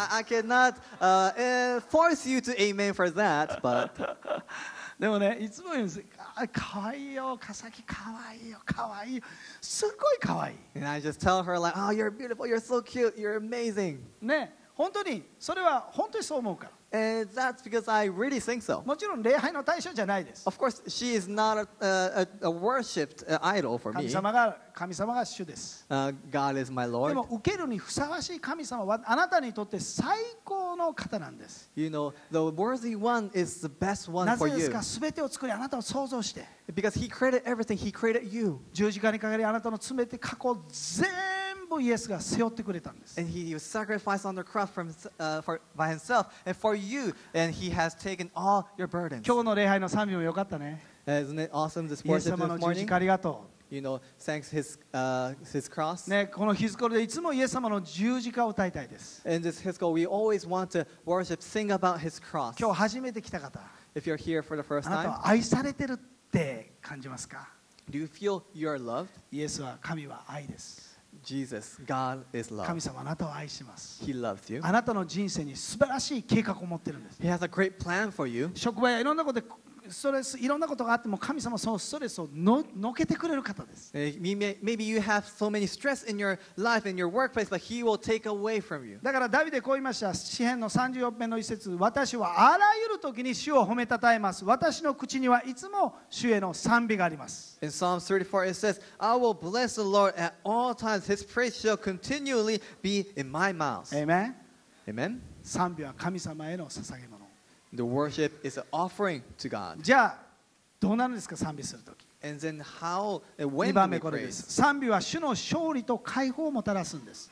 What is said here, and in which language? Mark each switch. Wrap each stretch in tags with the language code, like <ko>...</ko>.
<en>I cannot force you to amen for that, but</en> <ja>でもね、いつも言うんですよ。かわいいよ、カサキ、かわいいよ、かわいいよ。すごいかわいい。</ja> <en>And I just tell her like, oh, you're beautiful, you're so cute, you're amazing.</en> <ja>ね、本当に、それは本当にそう思うから。</ja> <en>And that's because I really think so.</en> <ja>もちろん礼拝の対象じゃないです。</ja> <en>Of course, she is not a worshipped idol for me.</en> <ja>神様が主です。</ja> <en>God is my Lord.</en> <ja>でも受けるにふさわしい神様はあなたにとって最高の方なんです。</ja> <en>You know, the worthy one is the best one for you.</en> <ja>なぜですか、すべてを作りあなたを創造して。</ja> <en>Because he created everything, he created you.</en> <ja>十字架にかかりあなたの全て過去全イエスが背負ってくれたんです。</ja> <en>And he was sacrificed on the cross by himself and for you, and he has taken all your burdens.</en> <ja>今日の礼拝の賛美も良かったね。</ja> <en>Isn't it awesome this worship this morning?</en> <ja>イエス様の十字架ありがとう。</ja> <en>You know, thanks his cross.</en> <ja>ね、このヒズコルでいつもイエス様の十字架を歌いたいです。</ja> <en>In this hizko, we always want to worship, sing about his cross.</en> <ja>今日初めて来た方。</ja> <en>If you're here for the first time.</en> <ja>あなたは愛されてるって感じますか？</ja> <en>Do you feel you are loved?</en> <ja>イエスは神は愛です。</ja> <en>Jesus, God is love.</en> <ja>神様あなたを愛します。</ja> <en>He loves you.</en> <ja>あなたの人生に素晴らしい計画を持ってるんです。</ja> <en>He has a great plan for you.</en> <ja>職場やいろんなことでストレス、いろんなことがあっても神様はそのストレスを のけてくれる方です。</ja> <en>Maybe you have so many stress in your life and your workplace, but He will take away from you.</en> <ja>だからダビデこう言いました。詩編の34編の一節、私はあらゆる時に主を褒めたたえます。私の口にはいつも主への賛美があります。</ja> <en>In Psalm 34, it says, I will bless the Lord at all times. His praise shall continually be in my mouth. Amen. Amen.</en> <ja>賛美は神様への捧げ物。</ja> <en>The worship is an offering to God.</en> <ja>じゃあ、どうなるんですか、賛美するとき。</ja> <en>And then how, when we praise.</en> <ja>2番目これです。賛美は主の勝利と解放をもたらすんです。</ja>